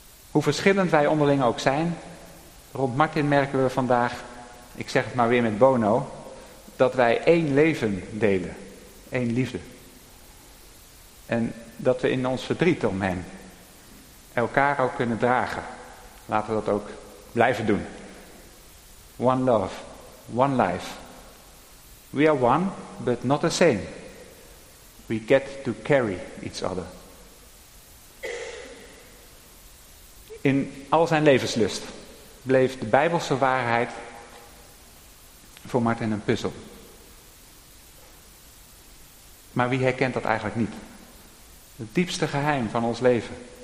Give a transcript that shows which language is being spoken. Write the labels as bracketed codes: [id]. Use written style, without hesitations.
[nl] Hoe verschillend wij onderling ook zijn, rond Martin merken we vandaag, ik zeg het maar weer met Bono, dat wij één leven delen, één liefde. En dat we in ons verdriet om hem elkaar ook kunnen dragen. Laten we dat ook blijven doen. [en] One love, one life. We are one, but not the same. We get to carry each other. [nl] In al zijn levenslust bleef de Bijbelse waarheid voor Martin een puzzel. Maar wie herkent dat eigenlijk niet? Het diepste geheim van ons leven.